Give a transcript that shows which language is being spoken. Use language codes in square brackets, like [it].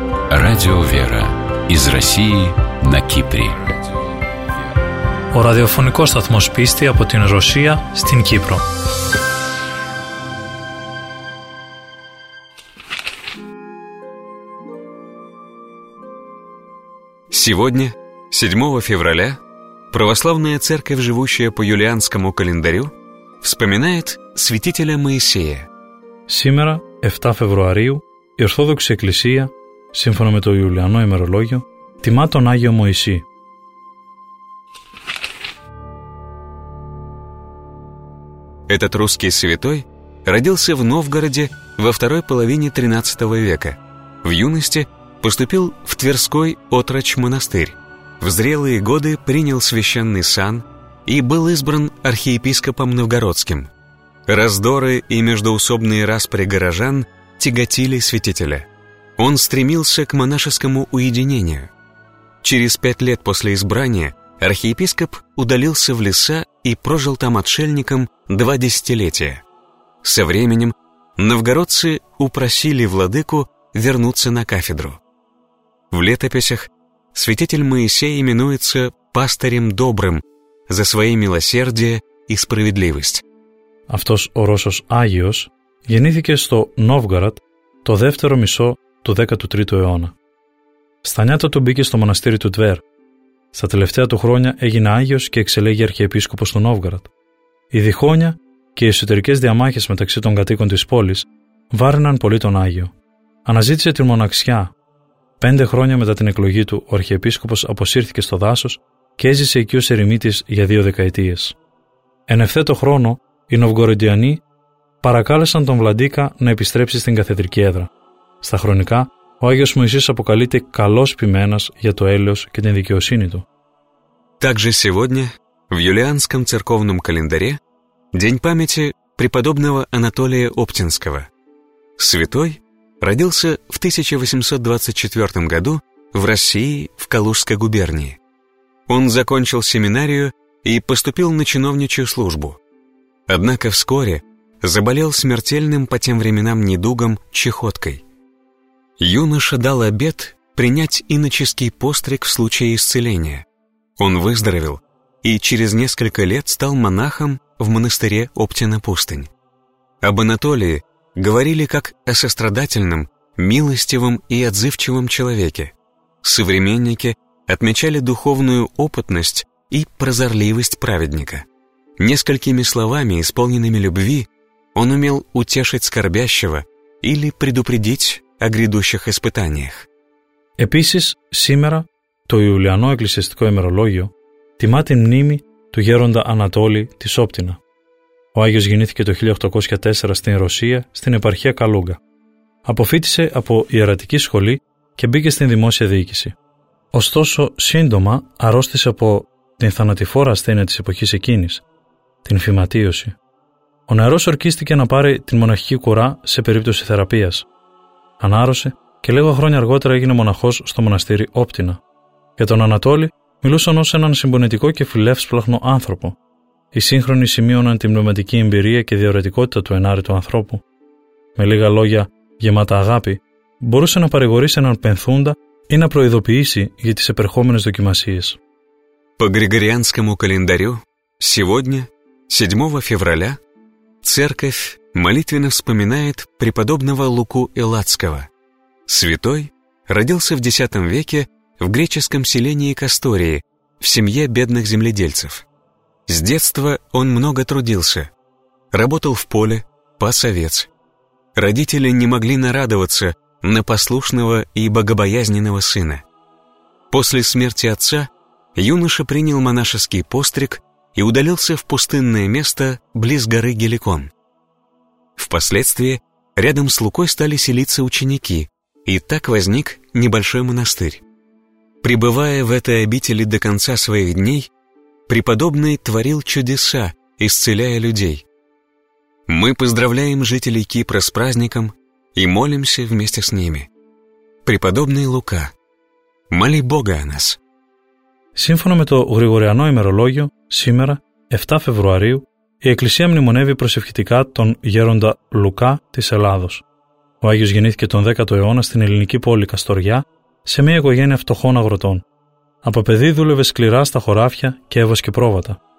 [ru] Радио «Вера» из России на Кипре. [el] Ο ραδιοφωνικός σταθμός πίστη από την Ρωσία στην Κύπρο. [ru] Сегодня, 7 февраля, православная церковь, живущая по юлианскому календарю, вспоминает святителя Моисея. Сегодня, 7 февраля, [el] η Ορθόδοξη Εκκλησία, σύμφωνα με το Ιουλιανό ημερολόγιο, τιμά τον Άγιο Μωυσή. [ru] Этот русский святой родился в Новгороде во второй половине 13 века. В юности поступил в Тверской отрочь-монастырь. В зрелые годы принял священный сан и был избран архиепископом новгородским. Раздоры и междоусобные распри горожан тяготили святителя. Он стремился к монашескому уединению. Через 5 лет после избрания архиепископ удалился в леса и прожил там отшельником 2 десятилетия. Со временем новгородцы упросили владыку вернуться на кафедру. В летописях святитель Моисей именуется пастырем добрым за свои милосердие и справедливость. [el] Автос ο Ρώσος Άγιος γεννήθηκε στο Νόβγαρατ το δεύτερο μισό του 13ου αιώνα. Στα νιάτα του μπήκε στο μοναστήρι του Τβέρ. Στα τελευταία του χρόνια έγινε Άγιος και εξελέγει αρχιεπίσκοπος του Νόβγαρατ. Η διχόνια και οι εσωτερικές διαμάχες μεταξύ των κατοίκων της πόλης βάρυναν πολύ τον Άγιο. Αναζήτησε την μοναξιά. 5 χρόνια μετά την εκλογή του, ο αρχιεπίσκοπος αποσύρθηκε στο δάσος και έζησε εκεί ως ερημίτης για 2 δεκαετίες. Εν ευθέτω χρόνο, οι Νοβγοροντιανοί παρακάλεσαν τον Βλαντίκα να επιστρέψει στην καθεδρική έδρα. Στα χρονικά, ο Άγιος Μωυσής αποκαλείται καλός ποιμένας για το έλεος και την δικαιοσύνη του. [ru] Также сегодня в юлианском церковном календаре день памяти преподобного Анатолия Оптинского. Святой родился в 1824 году в России в Калужской губернии. Он закончил семинарию и поступил на чиновничью службу. Однако вскоре заболел смертельным по тем временам недугом чахоткой. Юноша дал обет принять иноческий постриг в случае исцеления. Он выздоровел и через несколько лет стал монахом в монастыре Оптина-Пустынь. Об Анатолии говорили как о сострадательном, милостивом и отзывчивом человеке. Современники отмечали духовную опытность и прозорливость праведника. Несколькими словами, исполненными любви, он умел утешить скорбящего или предупредить о грядущих испытаниях. [el] Επίσης, σήμερα, το Ιουλιανό Εκκλησιαστικό Ημερολόγιο τιμά τη μνήμη του γέροντα Ανατόλη της Όπτινα. Ο Άγιος γεννήθηκε το 1804 στην Ρωσία, στην επαρχία Καλούγκα. Αποφύτησε από ιερατική σχολή και μπήκε στην δημόσια διοίκηση. Ωστόσο, σύντομα αρρώστησε από την θανατηφόρα ασθένεια της εποχής εκείνης, την φυματίωση. Ο νεαρός ορκίστηκε να πάρει την μοναχική κουρά σε περίπτωση θεραπείας. Ανάρρωσε και λίγα χρόνια αργότερα έγινε μοναχός στο μοναστήρι Όπτινα. Για τον Ανατόλη μιλούσαν ως έναν συμπονετικό και φιλεύσπλαχνο άνθρωπο. Οι σύγχρονοι σημείωναν την πνευματική εμπειρία και διαιρετικότητα του ενάρετου ανθρώπου. Με λίγα λόγια, γεμάτα αγάπη, μπορούσε να παρηγορήσει έναν πενθούντα ή να προειδοποιήσει για τις επερχόμενες δοκιμασίες. [ru] По Григорианскому календарю, сегодня, 7 февраля, церковь молитвенно вспоминает преподобного Луку Элладского. Святой родился в X веке в греческом селении Кастории, в семье бедных земледельцев. С детства он много трудился. Работал в поле, пас овец. Родители не могли нарадоваться на послушного и богобоязненного сына. После смерти отца юноша принял монашеский постриг и удалился в пустынное место близ горы Геликон. Впоследствии рядом с Лукой стали селиться ученики, и так возник небольшой монастырь. Пребывая в этой обители до конца своих дней, преподобный творил чудеса, исцеляя людей. Мы поздравляем жителей Кипра с праздником и молимся вместе с ними. Преподобный Лука, моли Бога о нас. [el] Σύμφωνα με το Γρηγοριανό ημερολόγιο, σήμερα, 7 Φεβρουαρίου, η Εκκλησία μνημονεύει προσευχητικά τον γέροντα Λουκά της Ελλάδος. Ο Άγιος γεννήθηκε τον 10ο αιώνα στην ελληνική πόλη Καστοριά σε μια οικογένεια φτωχών αγροτών. Από παιδί δούλευε σκληρά στα χωράφια και έβασκε πρόβατα.